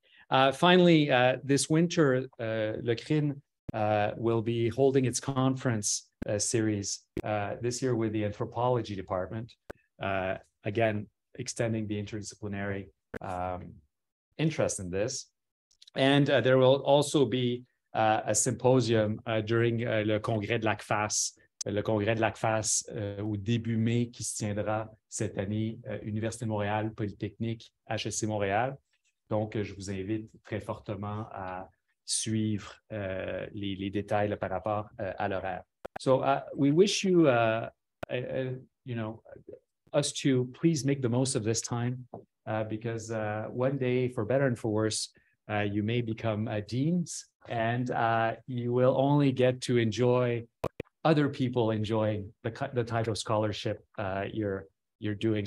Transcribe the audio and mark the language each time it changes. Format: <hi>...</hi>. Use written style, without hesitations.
<en>Finally, this winter, Le CRIHN will be holding its conference series this year with the anthropology department. Again, extending the interdisciplinary interest in this. And there will also be a symposium during le Congrès de l'ACFAS.</en> <fr>Le Congrès de l'ACFAS, au début mai, qui se tiendra cette année, Université de Montréal, Polytechnique, HEC Montréal. Donc, je vous invite très fortement à suivre les détails par rapport à l'horaire.</fr> <en>So, we wish you, you know, us to please make the most of this time, because one day, for better and for worse, you may become deans, and you will only get to enjoy other people enjoying the type of scholarship you're doing.</en>